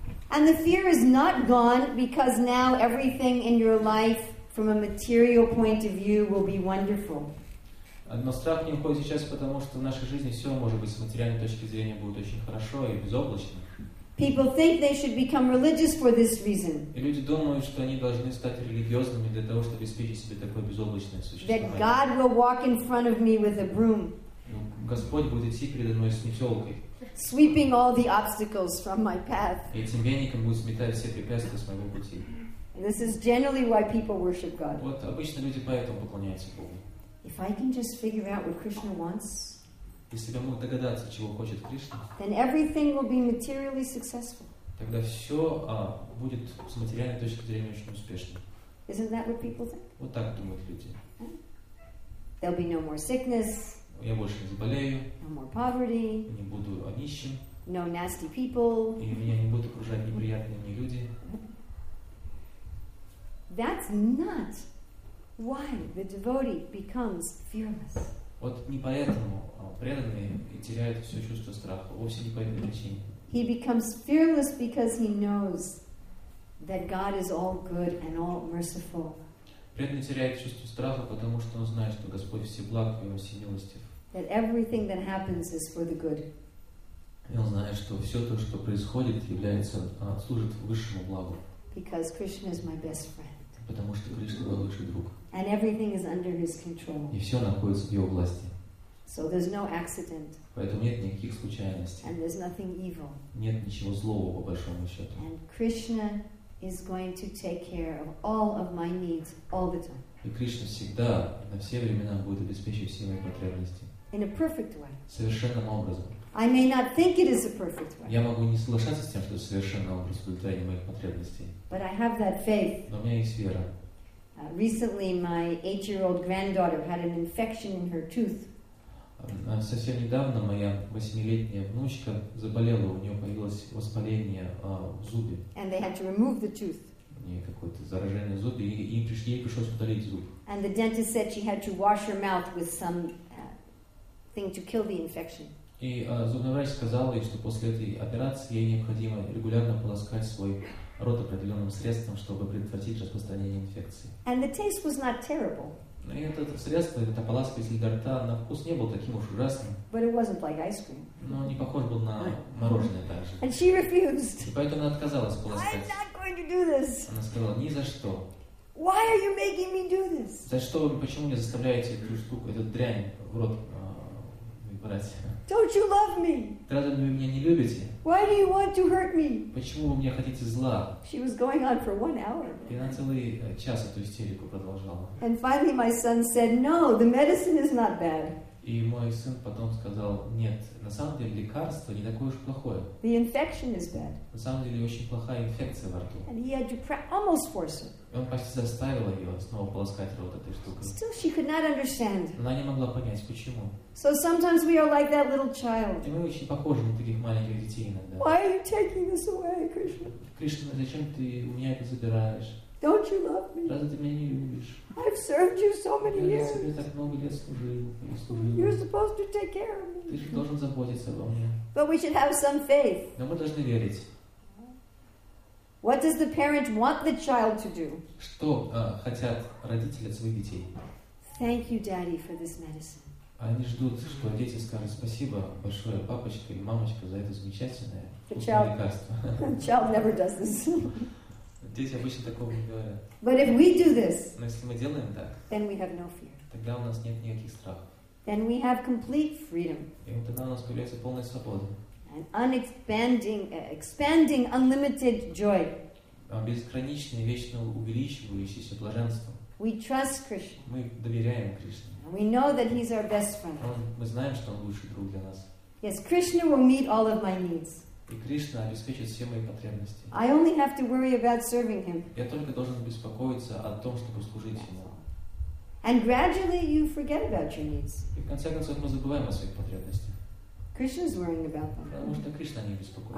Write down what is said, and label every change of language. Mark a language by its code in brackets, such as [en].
[en] And the fear is not gone because now everything in your life from a material point of view will be wonderful. [ru] Но страх не уходит сейчас, потому что в нашей жизни все может быть с материальной точки зрения будет очень хорошо и безоблачно. [en] People think they should become religious for this reason. [ru] И люди думают, что они должны стать религиозными для того, чтобы обеспечить себе такое безоблачное существование. [en] That God will walk in front of me with a broom. [ru] Господь будет идти передо мной с метелкой. [en] Sweeping all the obstacles from my path. [ru] И этим веником будет сметать все препятствия с моего пути. [en] This is generally why people worship God. [ru] Вот обычно люди поэтому поклоняются Богу. [en] If I can just figure out what Krishna wants. [ru] Если я мог догадаться, чего хочет Кришна, [en] then everything will be materially successful. [ru] Тогда все будет с материальной точки зрения очень успешно. [en] Isn't that what people think? [ru] Вот так думают люди. [en] There'll be no more sickness. [ru] Я больше не заболею. [en] No more poverty. [ru] Не буду нищим. [en] No nasty people. [ru] И меня не будут окружать неприятные мне люди. [en] That's not why the devotee becomes fearless. [ru] Вот не поэтому преданные и теряют все чувство страха. Вовсе не по этой причине. [en] He becomes fearless because he knows that God is all good and all merciful. [ru] Преданный теряет чувство страха, потому что он знает, что Господь всеблаг и он всемилостив. [en] That everything that happens is for the good. [ru] И он знает, что все то, что происходит, является служит высшему благу. [en] Because Krishna is my best friend. [ru] Потому что Кришна мой лучший друг. [en] And everything is under his control. [ru] И все находится в его власти. [en] So there's no accident. [ru] Поэтому нет никаких случайностей. [en] And there's nothing evil. [ru] Нет ничего злого по большому счету. [en] And Krishna is going to take care of all of my needs all the time. [ru] И Кришна всегда на все времена будет обеспечивать все мои потребности. [en] In a perfect way. [ru] Совершенным образом. [en] I may not think it is a perfect way. [ru] Я могу не соглашаться с тем, что совершенно образ удовлетворения моих потребностей. [en] But I have that faith. [ru] Но у меня есть вера. [en] Recently, my 8-year-old granddaughter had an infection in her tooth. [ru] Совсем недавно моя 8-летняя внучка заболела, у нее появилось воспаление в зубе. [en] And they had to remove the tooth. [ru] У нее какое-то заражение в зубе, и ей пришлось удалить зуб. [en] And the dentist said she had to wash her mouth with some thing to kill the infection. [ru] И зубной врач сказал ей, что после этой операции ей необходимо регулярно полоскать свой рот определенным средством, чтобы предотвратить распространение инфекции. [en] And the taste was not terrible. [ru] Но это средство, эта полоска из льда рта, на вкус не был таким уж ужасным. [en] But it wasn't like ice cream. [ru] Но не похож был на мороженое также. [en] And she refused. [ru] И поэтому она отказалась полоскать. [en] I'm not going to do this. [ru] Она сказала, ни за что. [en] Why are you making me do this? [ru] За что вы, почему мне заставляете эту штуку, эту дрянь в рот брать? [en] Don't you love me? [ru] Разве вы меня не любите? [en] Why do you want to hurt me? [ru] Почему вы мне хотите зла? [en] She was going on for 1 hour. [ru] И она целый час эту истерику продолжала. [en] And finally my son said, no, the medicine is not bad. [ru] И мой сын потом сказал, нет, на самом деле лекарство не такое уж плохое. [en] The infection is bad. [ru] На самом деле очень плохая инфекция во рту. [en] And he had to almost force her. [ru] И он почти заставил ее снова полоскать рот этой штукой. [en] Still she could not understand. [ru] Она не могла понять, почему. [en] So sometimes we are like that little child. [ru] И мы очень похожи на таких маленьких детей иногда. [en] Why are you taking this away, Krishna? [ru] Кришна, зачем ты у меня это забираешь? [en] Don't you love me? [ru] Разве ты меня не любишь? [en] I've served you so many years. [ru] Я тебе так много лет служил. [en] You're supposed to take care of me. [ru] Ты же должен заботиться обо мне. [en] But we should have some faith. [ru] Но мы должны верить. [en] What does the parent want the child to do? [ru] Что хотят родители от своих детей? [en] Thank you, Daddy, for this medicine. [ru] Они ждут, что дети скажут спасибо большое папочка и мамочка за это замечательное лекарство. [en] The child never does this. [ru] Дети обычно такого не говорят. [en] But if we do this, [ru] но если мы делаем так, [en] then we have no fear. [ru] Тогда у нас нет никаких страхов. [en] Then we have complete freedom. [ru] И вот тогда у нас появляется полная свобода. [en] An expanding, unlimited joy. [ru] Безграничное, вечно увеличивающееся блаженство. [en] We trust Krishna. [ru] Мы доверяем Кришне. [en] We know that He's our best friend. [ru] Мы знаем, что Он лучший друг для нас. [en] Yes, Krishna will meet all of my needs. [ru] И Кришна обеспечит все мои потребности. [en] I only have to worry about serving Him. [ru] Я только должен беспокоиться о том, чтобы служить Ему. [en] And gradually you forget about your needs. [ru] И в конце концов мы забываем о своих потребностях. [en] Krishna's worrying about them. [ru] Потому что Кришна не беспокоится.